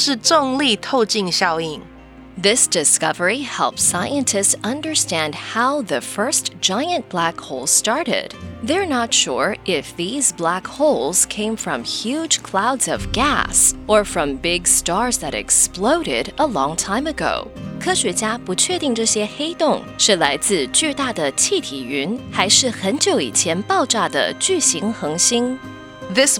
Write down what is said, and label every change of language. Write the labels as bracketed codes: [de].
[zh] 像星系团这样庞大天体的重力会让来自遥远地方的光线弯曲，看起来更亮，这就是重力透镜效应。 [en] This discovery helps scientists understand how the first giant black hole started. They're not sure if these black holes came from huge clouds of gas or from big stars that exploded a long time ago. [zh] 科学家不确定这些黑洞是来自巨大的气体云，还是很久以前爆炸的巨型恒星。 [en] This